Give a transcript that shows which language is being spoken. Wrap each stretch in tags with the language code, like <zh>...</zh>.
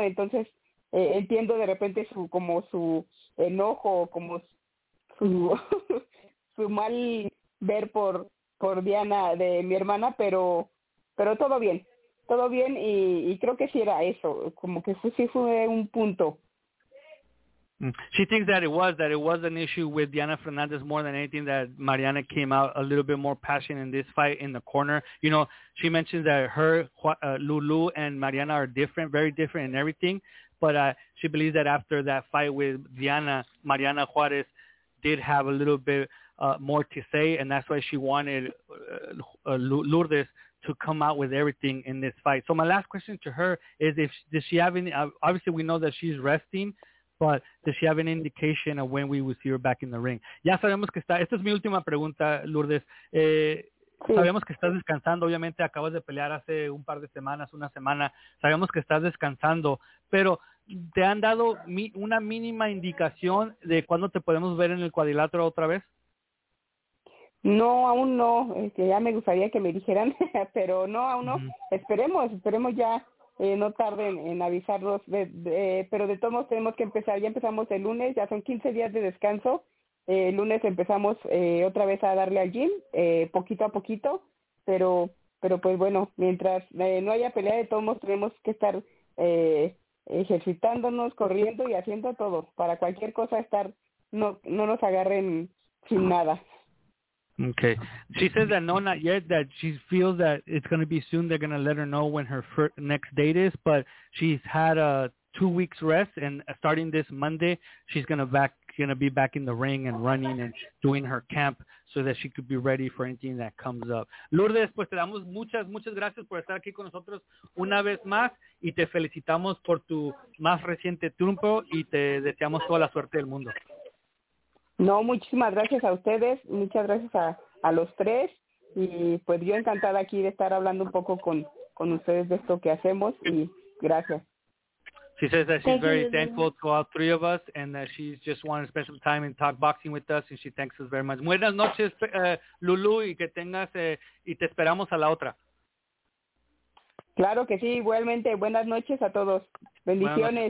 <es>Entonces, entiendo de repente su enojo, como su mal ver por Diana de mi hermana, pero todo bien, y creo que sí era eso, como que sí fue un punto.</es> <en>She thinks that it was an issue with Diana Fernandez more than anything, that Mariana came out a little bit more passionate in this fight in the corner. You know, she mentioned that her, Lulu and Mariana are different, very different in everything. But she believes that after that fight with Diana, Mariana Juarez did have a little bit more to say. And that's why she wanted Lourdes to come out with everything in this fight. So my last question to her is, does she have any, obviously we know that she's resting, but does she have an indication of when we will see her back in the ring?</en> <es>Ya sabemos que está. Esta es mi última pregunta, Lourdes. Sí. Sabemos que estás descansando. Obviamente acabas de pelear hace un par de semanas, una semana. Sabemos que estás descansando, pero ¿te han dado una mínima indicación de cuándo te podemos ver en el cuadrilátero otra vez? No, aún no. Ya me gustaría que me dijeran, pero no, aún no. Uh-huh. Esperemos ya. No tarden en avisarnos, pero de todos modos tenemos que empezar. Ya empezamos el lunes, ya son 15 días de descanso. El lunes empezamos otra vez a darle al gym, poquito a poquito, pero pues bueno, mientras no haya pelea, de todos modos tenemos que estar ejercitándonos, corriendo y haciendo todo, para cualquier cosa estar, no nos agarren sin nada.</es> <en>Okay. She says that no, not yet, that she feels that it's going to be soon. They're going to let her know when her next date is, but she's had a 2 weeks rest, and starting this Monday, she's going to be back in the ring and running and doing her camp so that she could be ready for anything that comes up.</en> <es>Lourdes, pues te damos muchas, muchas gracias por estar aquí con nosotros una vez más, y te felicitamos por tu más reciente triunfo, y te deseamos toda la suerte del mundo. No, muchísimas gracias a ustedes, muchas gracias a los tres, y pues yo encantada aquí de estar hablando un poco con ustedes de esto que hacemos, y gracias.</es> <en>She says that she's very thankful to all three of us, and that she just wanted to spend some time and talk boxing with us, and she thanks us very much.</en> <es>Buenas noches, Lulu, y que tengas, y te esperamos a la otra. Claro que sí, igualmente, buenas noches a todos, bendiciones.</es>